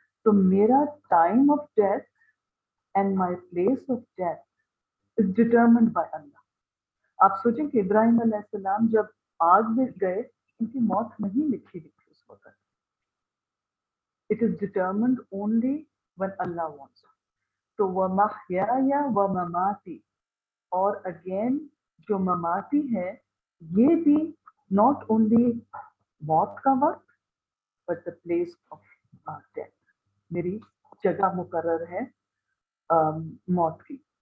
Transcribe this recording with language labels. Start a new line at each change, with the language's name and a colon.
Urdu: تو میرا
English: time of death and my place of death is determined by Allah.
Urdu: آپ سوچیں کہ ابراہیم علیہ السلام جب آگ میں گئے ان کی موت نہیں لکھی ہوئی اس وقت.
English: It is determined only when Allah wants.
Urdu: تو
Arabic: ومحیایا ومماتی,
Urdu: اور again جو مماتی ہے یہ بھی
English: not only
Urdu: موت کا وقت
English: but the place of death,
Urdu: میری جگہ مقرر ہے موت کی.